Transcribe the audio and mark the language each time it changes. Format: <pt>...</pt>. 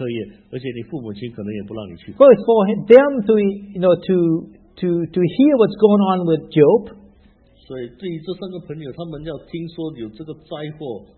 <zh>即使你的朋友是生病了，你也没办法去探望他，是因为你学校的课业，而且你父母亲可能也不让你去。</zh> <en>But for them to, you know, to hear what's going on with Job.</en> <zh>对于这三个朋友，他们要听说有这个灾祸。</zh>